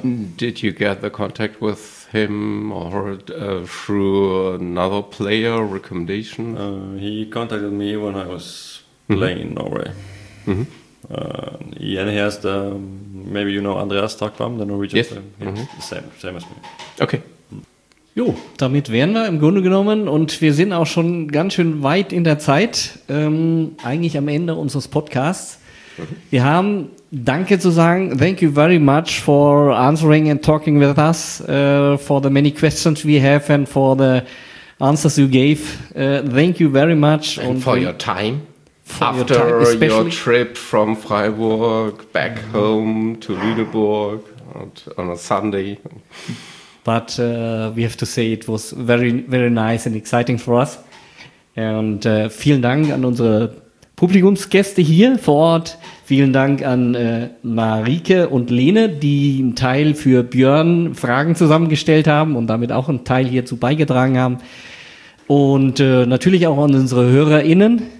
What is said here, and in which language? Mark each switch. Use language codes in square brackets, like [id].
[en] Did you get the contact with him or through another player recommendation? He contacted me when I was playing in Norway. Mm-hmm. And he has the, maybe you know Andreas Takvam, the Norwegian player. Yes. Same as me. Okay. [de] Jo, damit wären wir im Grunde genommen und wir sind auch schon ganz schön weit in der Zeit, eigentlich am Ende unseres Podcasts. Wir haben Danke zu sagen. [en] Thank you very much for answering and talking with us, for the many questions we have and for the answers you gave. Thank you very much. And for your time. After your trip from Freiburg back home to Lüneburg on a Sunday. But we have to say it was very, very nice and exciting for us. And [de] vielen Dank an unsere Publikumsgäste hier vor Ort. Vielen Dank an Marike und Lene, die einen Teil für Björn Fragen zusammengestellt haben und damit auch einen Teil hierzu beigetragen haben. Und natürlich auch an unsere HörerInnen.